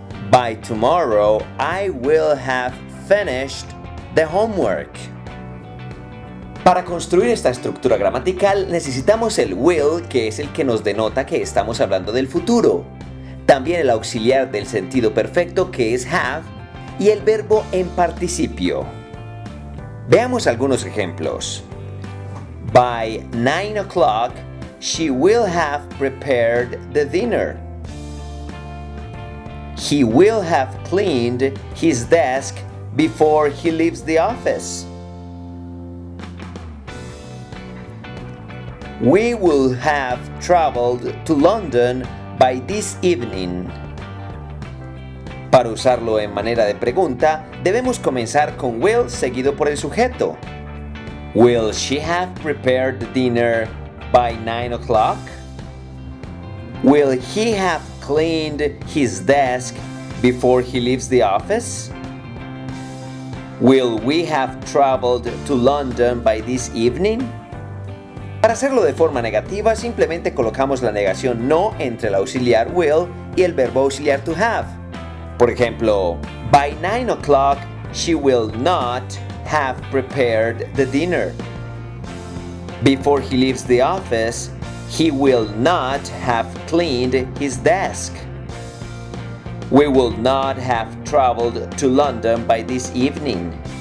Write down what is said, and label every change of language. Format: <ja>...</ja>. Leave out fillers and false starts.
<en>By tomorrow, I will have finished the homework.</en> <es>Para construir esta estructura gramatical, necesitamos el will, que es el que nos denota que estamos hablando del futuro. También el auxiliar del sentido perfecto, que es have, y el verbo en participio. Veamos algunos ejemplos.</es> <en>By 9 o'clock, she will have prepared the dinner. He will have cleaned his desk before he leaves the office. We will have traveled to London by this evening.</en> <es>Para usarlo en manera de pregunta, debemos comenzar con will seguido por el sujeto.</es> <en>Will she have prepared dinner by 9 o'clock? Will he have cleaned his desk before he leaves the office? Will we have traveled to London by this evening?</en> <es>Para hacerlo de forma negativa, simplemente colocamos la negación no entre el auxiliar will y el verbo auxiliar to have. Por ejemplo,</es> <en>by 9 o'clock, she will not have prepared the dinner. Before he leaves the office, he will not have cleaned his desk. We will not have traveled to London by this evening.</en>